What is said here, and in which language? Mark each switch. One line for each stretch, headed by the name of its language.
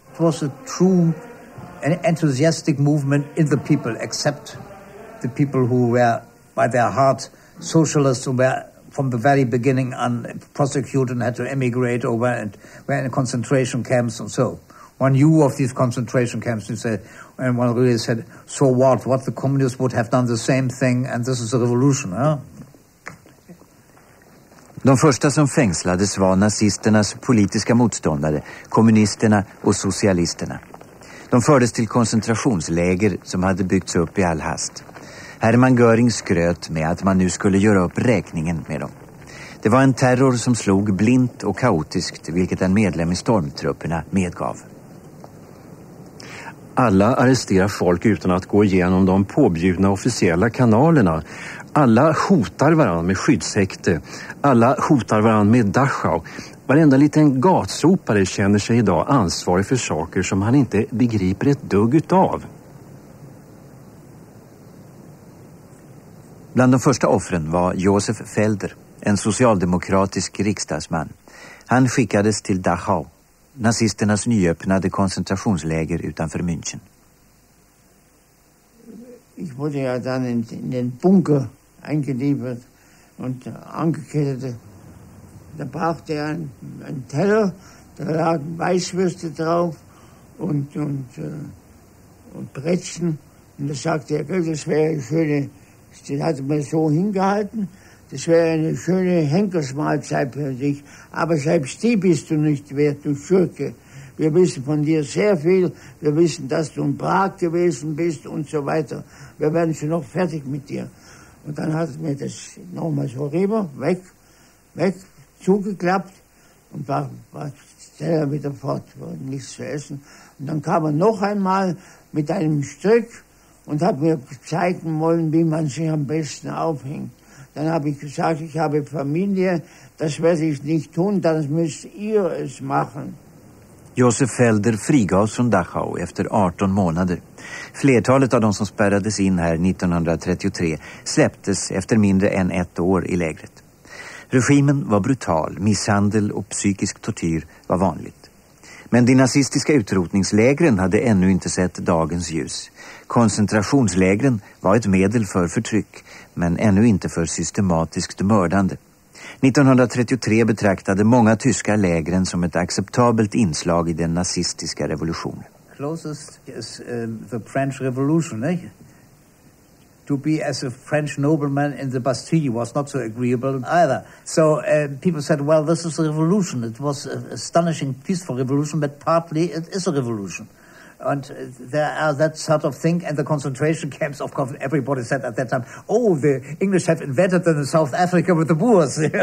English: It was a true and enthusiastic movement in the people, except the people who were by their heart socialists, who were from the very beginning prosecuted and had to emigrate or were in concentration camps and so. One knew of these concentration camps and said, and one really said, so what? What, the communists would have done the same thing and this is a revolution, huh?
Swedish: De första som fängslades var nazisternas politiska motståndare, kommunisterna och socialisterna. De fördes till koncentrationsläger som hade byggts upp i all hast. Hermann Göring skröt med att man nu skulle göra upp räkningen med dem. Det var en terror som slog blint och kaotiskt, vilket en medlem i stormtrupperna medgav. Alla arresterar folk utan att gå igenom de påbjudna officiella kanalerna. Alla hotar varandra med skyddshäkte. Alla hotar varandra med Dachau. Varenda liten gatsopare känner sig idag ansvarig för saker som han inte begriper ett dugg utav. Bland de första offren var Josef Felder, en socialdemokratisk riksdagsman. Han skickades till Dachau, nazisternas nyöppnade koncentrationsläger utanför München.
German: Ich wurde ja dann in den Bunker eingeliefert und angekettet. Da brachte er einen Teller, da lagen Weißwürste drauf und Brezen. Und da sagte er, das wäre eine schöne, das hat man so hingehalten, das wäre eine schöne Henkersmahlzeit für dich. Aber selbst die bist du nicht wert, du Schurke. Wir wissen von dir sehr viel, wir wissen, dass du in Prag gewesen bist und so weiter. Wir werden schon noch fertig mit dir. Und dann hat er mir das nochmal so rüber, weg. Zugeklappt und war schneller wieder fort, nichts zu essen. Und dann kam er noch einmal mit einem Strick und hat mir zeigen wollen, wie man sich am besten aufhängt. Dann habe ich gesagt, ich habe Familie, das werde ich nicht tun, das müsst ihr es machen.
Swedish: Josef Felder frigavs från Dachau efter 18 månader. Flertalet av de som spärrades in här 1933 släpptes efter mindre än ett år i lägret. Regimen var brutal, misshandel och psykisk tortyr var vanligt. Men de nazistiska utrotningslägren hade ännu inte sett dagens ljus. Koncentrationslägren var ett medel för förtryck, men ännu inte för systematiskt mördande. 1933 betraktade många tyska lägren som ett acceptabelt inslag i den nazistiska revolutionen.
English: Closest is the French Revolution, eh? To be as a French nobleman in the Bastille was not so agreeable either. So people said, well, this is a revolution. It was an astonishing peaceful revolution, but partly it is a revolution. And there are that sort of thing. And the concentration camps, of course, everybody said at that time, oh, the English have invented in South Africa with the Boers.